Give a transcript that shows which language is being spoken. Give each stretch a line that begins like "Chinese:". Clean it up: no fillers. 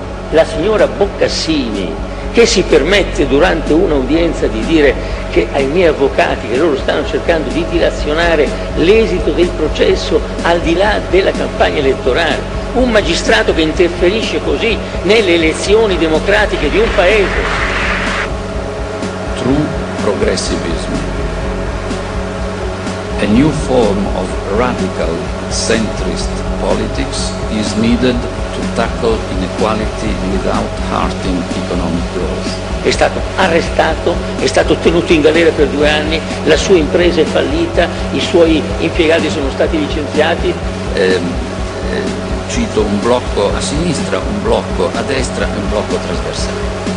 Italian: La signora Boccassini, che si permette durante un'udienza di dire che ai miei avvocati, che loro stanno cercando di dilazionare l'esito del processo al di là della campagna elettorale, un magistrato che interferisce così nelle elezioni democratiche di un paese.
English: True progressivism, a new form of radical centrist politics is needed to tackle inequality without hurting economic growth.
Italian: È stato arrestato, è stato tenuto in galera per 2 anni, la sua impresa è fallita, i suoi impiegati sono stati licenziati. Cito un blocco a sinistra, un blocco a destra e un blocco trasversale.